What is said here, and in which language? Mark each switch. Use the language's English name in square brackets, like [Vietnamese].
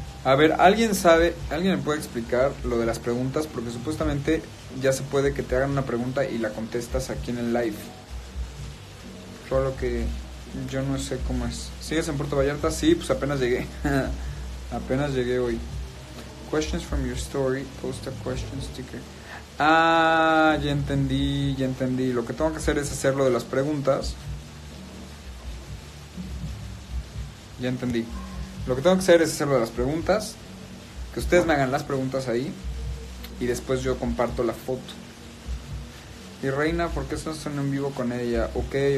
[Spanish] A ver, ¿alguien sabe? ¿Alguien me puede explicar lo de las preguntas? Porque supuestamente ya se puede que te hagan una pregunta y la contestas aquí en el live. Solo que yo no sé cómo es. ¿Sigues en Puerto Vallarta? Sí, pues apenas llegué. Apenas llegué hoy. [English] Questions from your story, post a question sticker. [Spanish] Ah, ya entendí, ya entendí. Lo que tengo que hacer es hacer lo de las preguntas. Ya entendí. Lo que tengo que hacer es hacer lo de las preguntas. Que ustedes me hagan las preguntas ahí. Y después yo comparto la foto. Y Reina, ¿por qué estás en vivo con ella? Ok.